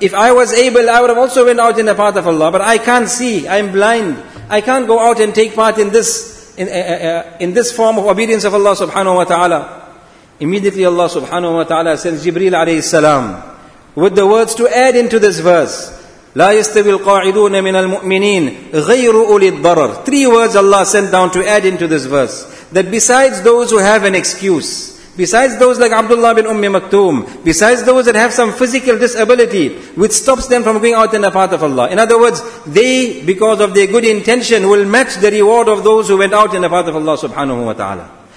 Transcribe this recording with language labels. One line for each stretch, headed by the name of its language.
English: If I was able, I would have also went out in the path of Allah. But I can't see. I'm blind. I can't go out and take part in this form of obedience of Allah subhanahu wa ta'ala. Immediately Allah subhanahu wa ta'ala sends Jibreel alayhi salam with the words to add into this verse.
Arabic: لا يستوي القاعدون من المؤمنين غير أولي الضرر.
English: Three words Allah sent down to add into this verse. That besides those who have an excuse, besides those like Abdullah bin Ummi Maktoum, besides those that have some physical disability which stops them from going out in the path of Allah. In other words, they, because of their good intention, will match the reward of those who went out in the path of Allah subhanahu wa ta'ala.